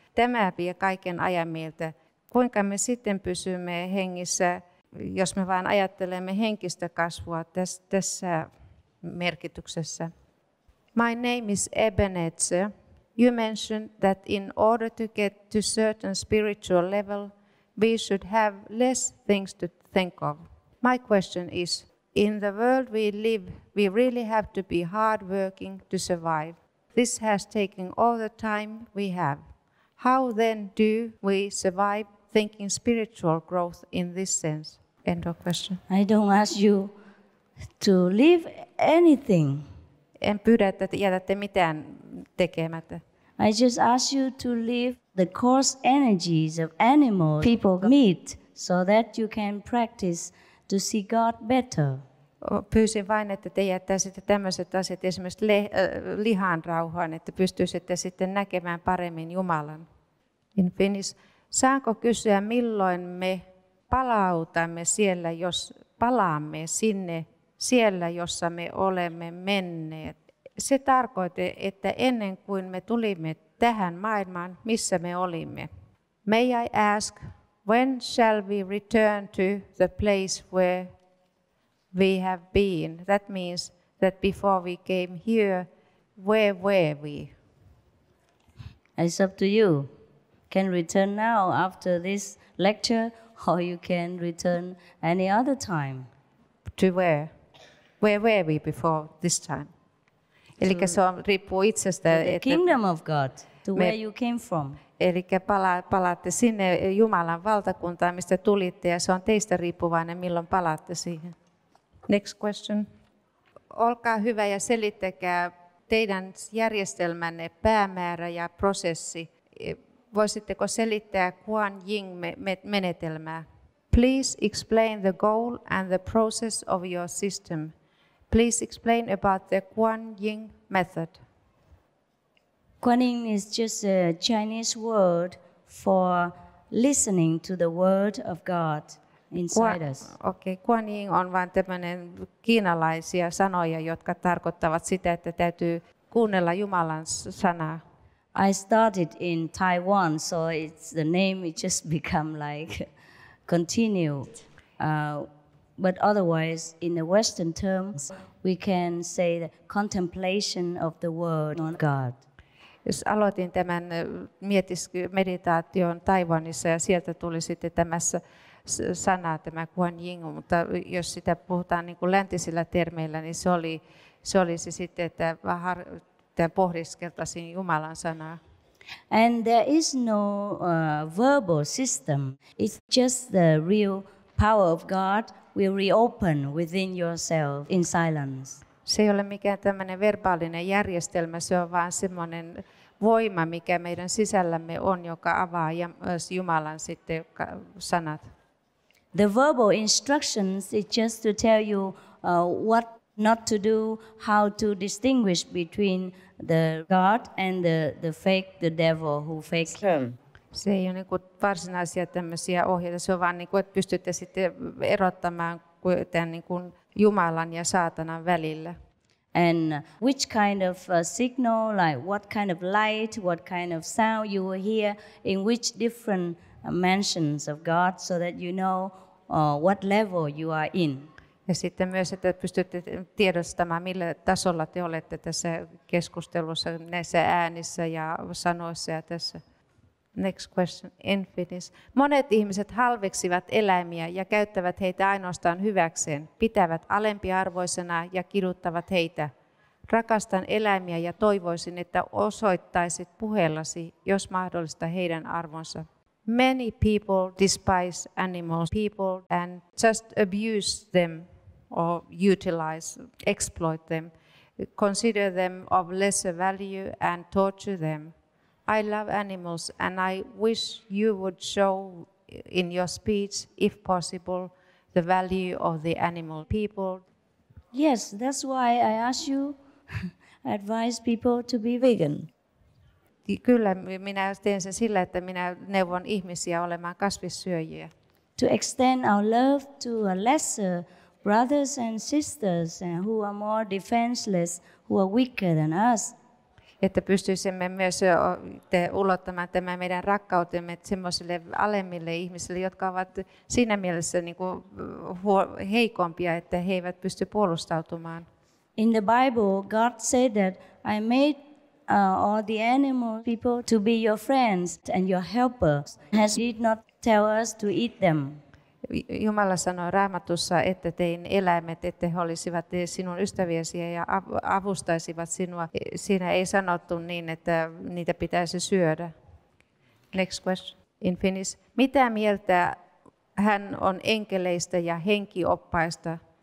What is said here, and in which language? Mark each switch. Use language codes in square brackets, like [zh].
[fi] Tämä vie kaiken ajan mieltä. Kuinka me sitten pysymme hengissä, jos me vain ajattelemme henkistä kasvua tässä merkityksessä? [en] My name is Ebenezer. You mentioned that in order to get to certain spiritual level, we should have less things to think of. My question is, in the world we live, we really have to be hardworking to survive. This has taken all the time we have. How then do we survive thinking spiritual growth in this sense? End of question. I don't ask you to leave anything. [fi] En pyydä, että jätätte mitään tekemättä. [en] I just ask you to leave the coarse energies of animals, people, meat, so that you can practice to see God better. [fi] Pyysin vain, että te jättäisitte tämmöiset asiat esimerkiksi lihan rauhaan, että pystyisitte sitten näkemään paremmin Jumalan. [en] In Finnish, [fi] saanko kysyä, milloin me palautamme siellä, jos palaamme sinne, siellä, jossa me olemme menneet? Se tarkoitti, että ennen kuin me tulimme tähän maailmaan, missä me olimme. [en] May I ask, when shall we return to the place where we have been? That means that before we came here, where were we? It's up to you. can return now after this lecture, or you can return any other time. To where? Where were we before this time? [fi] Eli se on riippuu itsestä. [en] The kingdom of God, to where you came from. [fi] Eli palaatte sinne Jumalan valtakuntaan, mistä tulitte, ja se on teistä riippuvainen, milloin palaatte siihen. [en] Next question. [fi] Olkaa hyvä ja selittäkää teidän järjestelmänne päämäärä ja prosessi. Voisitteko selittää Quan Yin-menetelmää? [en] Please explain the goal and the process of your system. Please explain about the Quan Yin method. Quan Yin is just a Chinese word for listening to the word of God inside us. [fi] Okay, Quan Yin on vain tämmöinen kiinalaisia sanoja, jotka tarkoittavat sitä, että täytyy kuunnella Jumalan sanaa. [en] I started in Taiwan, so it's the name it just become like continued. But otherwise, in the Western terms, we can say the contemplation of the word on God. [fi] Jos aloitin tämän meditaation Taiwanissa ja sieltä tuli sitten tämä sana, tämä Quan Yin, mutta jos sitä puhutaan niin kuin läntisillä termeillä, niin se oli se sitten, että pohdiskeltaisin Jumalan sanaa. [en] And there is no verbal system. It's just the real power of God will reopen within yourself in silence. [fi] Se ei ole mikään tämmöinen verbaalinen järjestelmä, se on vaan semmoinen voima, mikä meidän sisällämme on, joka avaa ja myös Jumalan sitten sanat. [en] The verbal instructions is just to tell you what not to do, how to distinguish between the God and the fake, the devil who fake him. [fi] Se ei ole niin kuin varsinaisia tämmöisiä ohjeita, se on vaan niin kuin, että pystytte sitten erottamaan tämän niin kuin Jumalan ja saatanan välillä. [en] And which kind of signal, like what kind of light, what kind of sound you will hear, in which different mansions of God, so that you know what level you are in. [fi] Ja sitten myös, että pystytte tiedostamaan, millä tasolla te olette tässä keskustelussa, näissä äänissä ja sanoissa ja tässä. [en] Next question, in Finnish. [fi] Monet ihmiset halveksivat eläimiä ja käyttävät heitä ainoastaan hyväkseen, pitävät alempiarvoisena ja kiduttavat heitä. Rakastan eläimiä ja toivoisin, että osoittaisit puheellasi, jos mahdollista, heidän arvonsa. [en] Many people despise animals, people, and just abuse them or utilize, exploit them, consider them of lesser value and torture them. I love animals and I wish you would show in your speech, if possible, the value of the animal people. Yes, that's why I ask you, advise people to be vegan. [fi] Kyllä, minä teen sen sillä, että minä neuvon ihmisiä olemaan kasvissyöjiä. [en] To extend our love to a lesser brothers and sisters and who are more defenseless, who are weaker than us. [fi] Että pystyisimme myös ulottamaan tämän meidän rakkautemme semmoisille alemmille ihmisille, jotka ovat siinä mielessä niin kuin heikompia, että he eivät pysty puolustautumaan. [en] In the Bible, God said that I made all the animal people to be your friends and your helpers. Has he not tell us to eat them? [fi] Jumala sanoi Raamatussa, että tein eläimet, että he olisivat sinun ystäviäsi ja avustaisivat sinua. Siinä ei sanottu niin, että niitä pitäisi syödä. [en] Next question in Finnish. [fi] Mitä mieltä hän on enkeleistä ja henkioppaista?